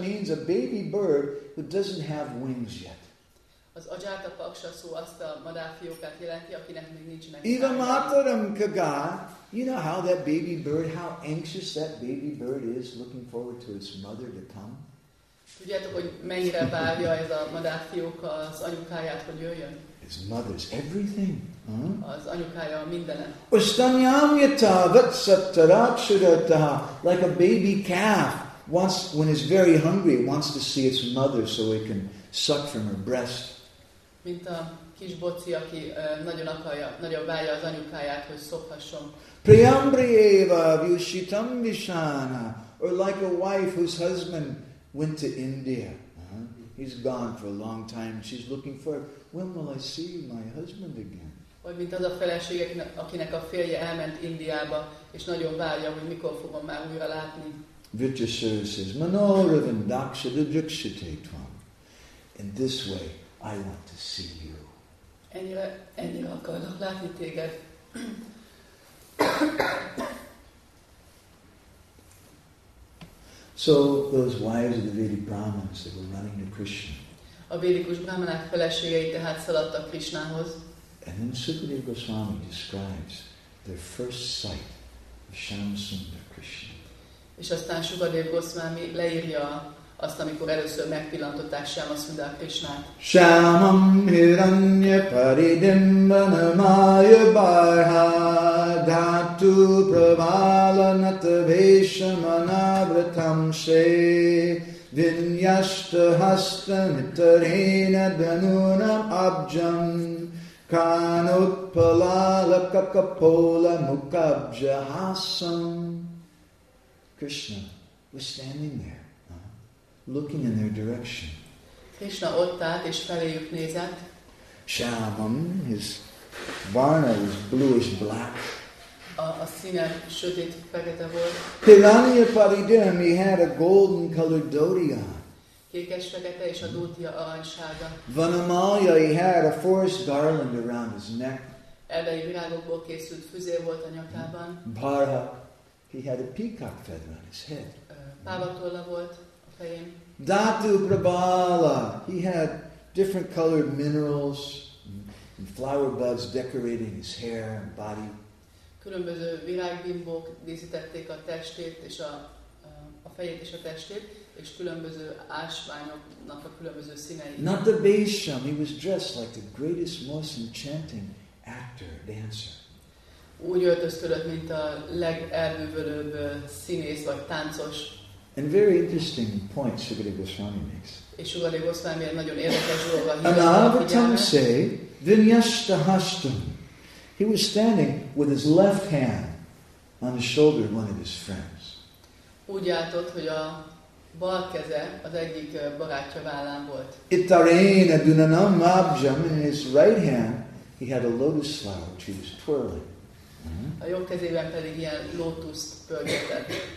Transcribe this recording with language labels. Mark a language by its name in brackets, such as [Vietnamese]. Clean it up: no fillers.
[English] means a baby bird who doesn't have wings yet. [Hungarian] Az ajatapaksha szó azt a madárfiókát jelenti, akinek még nincsenek. [Sanskrit] Eva mataram kaga. [English] You know how that baby bird, how anxious that baby bird is looking forward to its mother to come? [Hungarian] Tudjátok, hogy mennyire várja ez a madárfióka az anyukáját, hogy jöjjön? [English] His mother's everything. [Hungarian] Az anyukája a mindenem. [Sanskrit] Ustanyam yata vatsattarakshudata. [English] Like a baby calf wants, when it's very hungry, it wants to see its mother so it can suck from her breast. [Hungarian] Mint a kis boci, aki nagyon akarja, nagyon várja az anyukáját, hogy szophasson. [Sanskrit] Priyambrieva vyushitam vishana. [English] Or like a wife whose husband went to India. He's gone for a long time. She's looking for, when will I see my husband again? [Hungarian] Vagy mint az a feleség, akinek a férje elment Indiába, és nagyon várja, hogy mikor fogom már újra látni. [English] Vritasura says, [Sanskrit] Manoravindaksha didrikshite tvam. [English] In this way, I want to see you. [Hungarian] Ennyire akarnak látni téged. [English] So those wives of the Vedic Brahmins that were running to Krishna. [Hungarian] A védikus brahmanák feleségei tehát szaladtak Krishnához. [English] And then Sukadeva Goswami describes their first sight of Shyamasundara Krishna. [Hungarian] És aztán Sukadeva Goswami leírja azt, amikor először megpillantották Shyamasundara Krishnát. [Sanskrit] Shyamam Hiranyaparidimbanamaya Barha Dhatu Pravalanatavesamanavratam Se Vinyashta Hastamitarena Benunam Abjam Kanupalalakakapolamukabjahasam. [English] Krishna was standing there, looking in their direction. [Hungarian] Krishna ott állt és feléjük nézett. [English] Shyamam, his varna was bluish black. [Hungarian] A színe sötét fekete volt. [English] Hiranyaparidim, he had a golden colored dhoti on. [Hungarian] Kékes fekete és a dhotija aranysága. [English] Vanamalya, he had a forest garland around his neck. [Hungarian] Erdei virágokból készült füzér volt a nyakában. [English] Bharha, he had a peacock feather on his head. [Hungarian] Pávatolla volt. [English] Dhatu Prabala, he had different colored minerals and flower buds decorating his hair and body. [Hungarian] Különböző virágbimbók díszítették a testét és a fejét és a testét, és különböző ásványoknak a különböző színei. [English] Not the Bhesham, he was dressed like the greatest, most enchanting actor, dancer. [Hungarian] Úgy öltöztődött, mint a legelbűvölőbb színész vagy táncos. [English] And very interesting point Sukadeva Goswami makes. [Sanskrit] Anavratam se vinyashta hastam. [English] He was standing with his left hand on the shoulder of one of his friends. [Hungarian] Úgy álltott, hogy a bal keze az egyik barátja vállán volt. [Sanskrit] Ittarena dunanam abjam. [English] In his right hand, he had a lotus flower which he was twirling. [Hungarian] A jobb kezében pedig ilyen lótusz pörgetett.